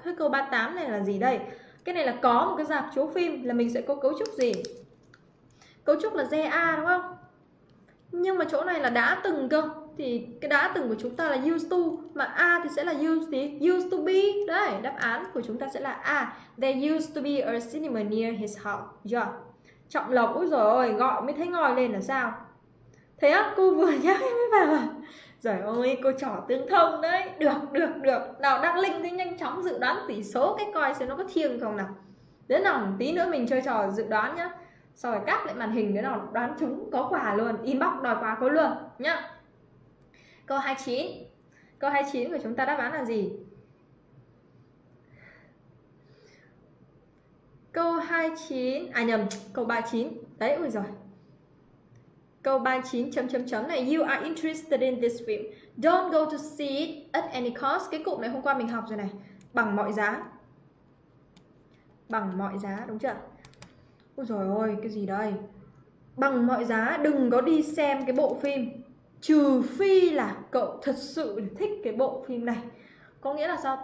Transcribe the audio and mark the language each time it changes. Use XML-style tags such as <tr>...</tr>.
<vi>Thế câu 38 này là gì đây? Cái này là có một cái rạp chiếu phim là mình sẽ có cấu trúc gì? Cấu trúc là GA đúng không? Nhưng mà chỗ này là đã từng cơ, thì cái đã từng của chúng ta là used to, mà A thì sẽ là used gì? Used to be. Đấy, đáp án của chúng ta sẽ là A.</vi> <en>There used to be a cinema near his house. Yeah.</en> <vi>Trọng Lộc, úi dồi ôi, gọi mới thấy ngồi lên là sao? Thế á, cô vừa nhắc em mới vào à? Trời ơi, cô trò tương thông đấy. Được, được, được. Nào, đang link thì nhanh chóng dự đoán tỷ số cái coi xem nó có thiêng không nào. Đến nào, tí nữa mình chơi trò dự đoán nhá. Sau rồi cắt lại màn hình, đến nào đoán trúng có quà luôn. Inbox đòi quà có luôn, nhá. Câu 29. Câu 29 của chúng ta đáp án là gì? Câu 29, à nhầm, câu 39. Đấy, ui giời. Câu 39 chấm chấm chấm này,</vi> <en>you are interested in this film, don't go to see it at any cost.</en> <vi>Cái cụm này hôm qua mình học rồi này, bằng mọi giá, bằng mọi giá, đúng chưa? Ôi giời ơi, cái gì đây, bằng mọi giá đừng có đi xem cái bộ phim trừ phi là cậu thật sự thích cái bộ phim này. Có nghĩa là sao?</vi>